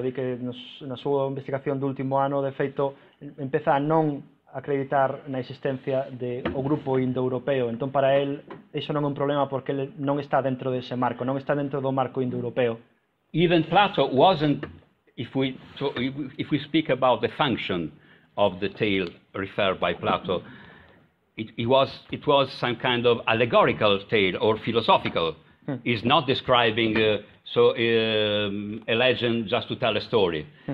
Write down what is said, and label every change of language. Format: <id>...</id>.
<gl>Di que na súa investigación do último ano, de feito, empeza a non acreditar na existencia de o grupo indo-europeo. Entón, para él, iso non é un problema porque ele non está dentro dese marco, non está dentro do marco indo-europeo.</gl> <en>Even Plato wasn't, if we speak about the function of the tale referred by Plato, it was some kind of allegorical tale or philosophical. He's not describing a legend just to tell a story.</en>